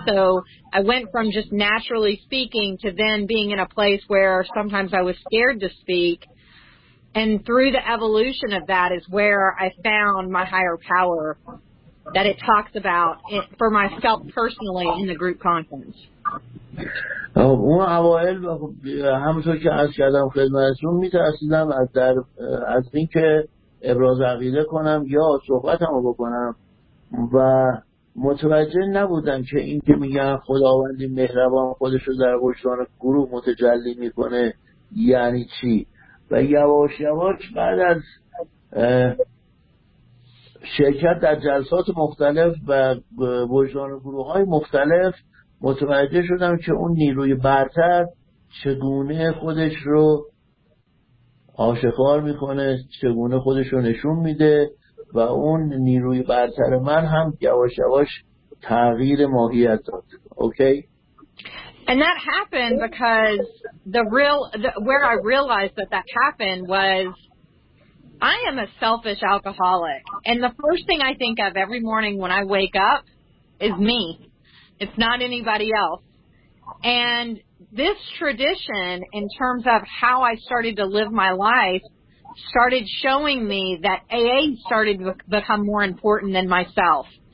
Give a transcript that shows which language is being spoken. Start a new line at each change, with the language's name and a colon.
English: So I went from just naturally speaking to then being in a place where sometimes I was scared to speak. And through the evolution of that is where I found my higher power that it talks about it for myself personally in the group conference.
Persian: اون اوائل همونطور که عرض کردم خدمتتون میترسیدم از این که ابراز عقیده کنم یا صحبتم رو بکنم و متوجه نبودم که این که میگن خداوندی مهربان خودش رو در وجدان گروه متجلی میکنه یعنی چی. و یواش یواش بعد از شرکت در جلسات مختلف و وجدان گروه های مختلف متوجه شدم که اون نیروی برتر چگونه خودش رو آشکار میکنه، چگونه خودش رو نشون میده و اون نیروی برتر من هم یواش یواش تغییر ماهیت داد. اوکی؟
English: And that happened because where I realized that happened was I am a selfish alcoholic. And the first thing I think of every morning when I wake up is me. It's not anybody else. And this tradition, in terms of how I started to live my life, started showing me that AA started to become more important than myself.